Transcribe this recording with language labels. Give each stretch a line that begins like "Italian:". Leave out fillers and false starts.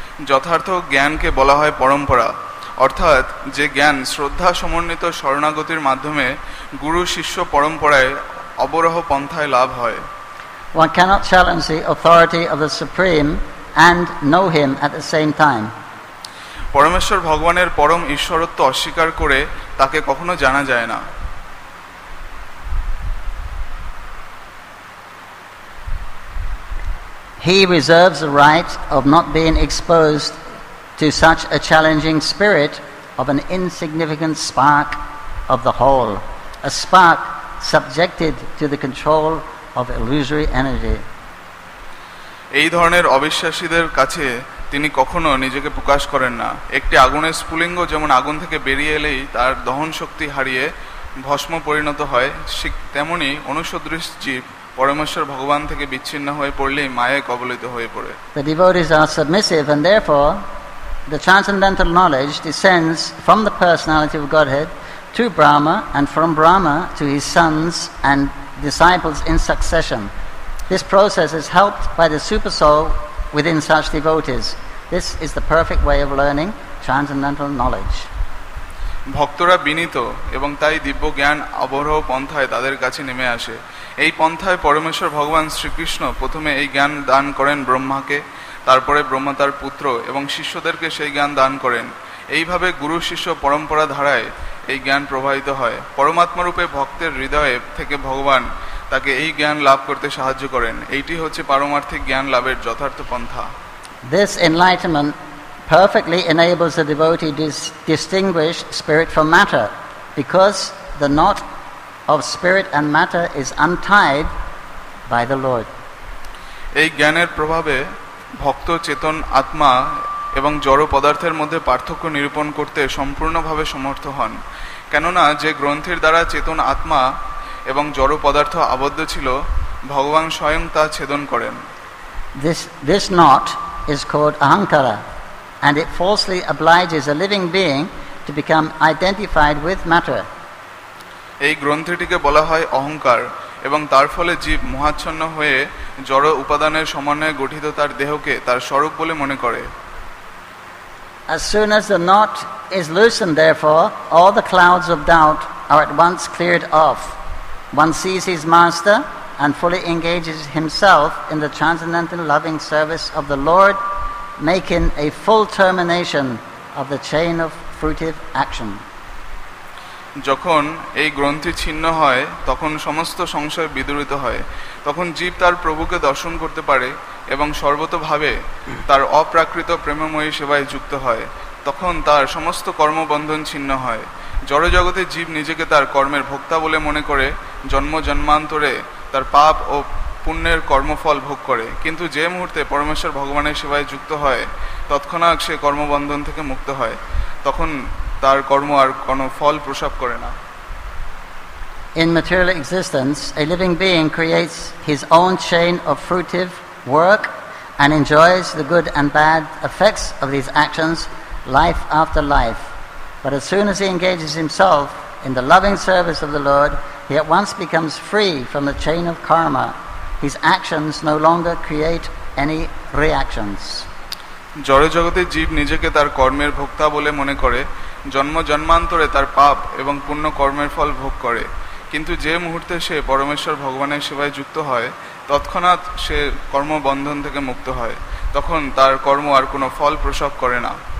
Bangla: যথার্থ জ্ঞানকে বলা হয় পরম্পরা, অর্থাৎ যে জ্ঞান শ্রদ্ধা সমন্বিত শরণাগতির মাধ্যমে গুরু শিষ্য পরম্পরায় অবরহ পন্থায় লাভ হয়।
English: One cannot challenge the authority of the Supreme and know him at the same time.
Bangla: পরমেশ্বর ভগবানের পরম ঈশ্বরত্ব অস্বীকার করে তাকে কখনো জানা যায় না।
English: He reserves the right of not being exposed to such a challenging spirit of an insignificant spark of the whole, a spark subjected to the control of illusory energy.
Bangla: এই ধরনের অবিশ্বাসীদের কাছে তিনি কখনো নিজেকে প্রকাশ করেন না। একটি আগুনের স্ফুলিঙ্গ যেমন আগুন থেকে বেরিয়ে এলেই তার দহন শক্তি হারিয়ে ভস্ম পরিণত হয়, তেমনি অনুসদৃশ জীব পরমেশ্বর ভগবান থেকে বিচ্ছিন্ন হয়ে পড়লেই মায়ায় কবলিত হয়ে পড়ে।
English: The devotees are submissive and therefore the transcendental knowledge descends from the personality of Godhead to Brahma and from Brahma to his sons and disciples in succession. This process is helped by the super soul within such devotees. This is the perfect way of learning transcendental knowledge.
Bangla: ভক্তরা বিনীত এবং তাই দিব্য জ্ঞান অবরোহ পন্থায় তাদের কাছে নেমে আসে। এই পন্থায় পরমেশ্বর ভগবান শ্রীকৃষ্ণ প্রথমে এই জ্ঞান দান করেন ব্রহ্মাকে, তারপরে ব্রহ্মা তার পুত্র এবং শিষ্যদেরকে সেই জ্ঞান দান করেন। এইভাবে গুরু শিষ্য পরম্পরা ধারায় এই জ্ঞান প্রবাহিত হয়। পরমাত্মারূপে ভক্তের হৃদয়ে থেকে ভগবান তাকে এই জ্ঞান লাভ করতে সাহায্য করেন। এইটি হচ্ছে পারমার্থিক জ্ঞান লাভের যথার্থ পন্থা।
English: This enlightenment perfectly enables the devotee to distinguish spirit from matter, because the knot of spirit and matter is untied by the Lord.
Bangla: এই জ্ঞানের প্রভাবে ভক্ত চেতন আত্মা এবং জড় পদার্থের মধ্যে পার্থক্য নিরূপণ করতে সম্পূর্ণভাবে সমর্থ হন। কেননা যে গ্রন্থের দ্বারা চেতন আত্মা এবং জড় পদার্থ আবদ্ধ ছিল, ভগবান স্বয়ং তা ছেদন করেন।
English: This knot is called ahankara, and it falsely obliges a living being to become identified with matter.
Bangla: এই গ্রন্থটিকে বলা হয় অহংকার, এবং তার ফলে জীব মোহাচ্ছন্ন হয়ে জড় উপাদানের সমন্বয়ে গঠিত তার দেহকে তার স্বরূপ বলে মনে করে।
English: As soon as the knot is loosened, therefore, all the clouds of doubt are at once cleared off. One sees his master and fully engages himself in the transcendental loving service of the Lord, making a full termination of the chain of fruitive action.
Bangla: যখন এই গ্রন্থি ছিন্ন হয় তখন সমস্ত সংশয় বিদূরিত হয়। তখন জীব তার প্রভুকে দর্শন করতে পারে এবং সর্বতোভাবে তার অপ্রাকৃত প্রেমময়ী সেবায় যুক্ত হয়। তখন তার সমস্ত কর্মবন্ধন ছিন্ন হয়। জড় জগতে জীব নিজেকে তার কর্মের ভোক্তা বলে মনে করে, জন্ম জন্মান্তরে তার পাপ ও পুণ্যের কর্মফল ভোগ করে, কিন্তু যে মুহূর্তে পরমেশ্বর ভগবানের সেবায় যুক্ত হয় তৎক্ষণাৎ সে কর্মবন্ধন থেকে মুক্ত হয়, তখন তার কর্ম আর কোনো ফল প্রসব করে না।
English: In material existence, a living being creates his own chain of fruitive work and enjoys the good and bad effects of these actions life after life. But as soon as he engages himself in the loving service of the Lord, he at once becomes free from the chain of karma. His actions no longer create any reactions.
Bangla: জড় জগতে জীব নিজেকে তার কর্মের ভোক্তা বলে মনে করে, জন্ম জন্মান্তরে তার পাপ এবং পুণ্য কর্মের ফল ভোগ করে, কিন্তু যে মুহূর্তে সে পরমেশ্বর ভগবানের সেবায় যুক্ত হয় তৎক্ষণাৎ সে কর্মবন্ধন থেকে মুক্ত হয়, তখন তার কর্ম আর কোনো ফল প্রসব করে না।